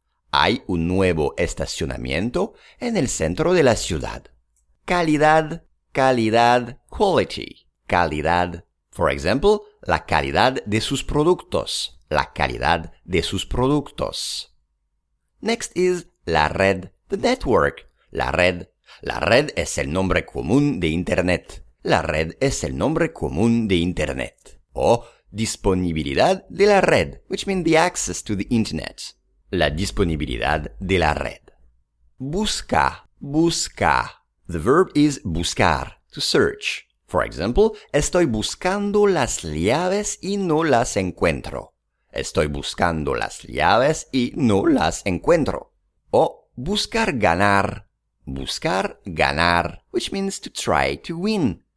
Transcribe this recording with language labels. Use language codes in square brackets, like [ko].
[es] Hay un nuevo estacionamiento en el centro de la ciudad. Calidad, calidad, [en] quality, [es] calidad. [en] For example, [es] la calidad de sus productos, la calidad de sus productos. [en] Next is [es] la red, [en] the network, la red. [es] La red es el nombre común de Internet. La red es el nombre común de Internet. O disponibilidad de la red, [en] which means the access to the Internet. [es] La disponibilidad de la red. Busca, busca. [en] The verb is buscar, to search. For example, [es] estoy buscando las llaves y no las encuentro. Estoy buscando las llaves y no las encuentro. O buscar ganar. Buscar ganar, [en] which means to try to win.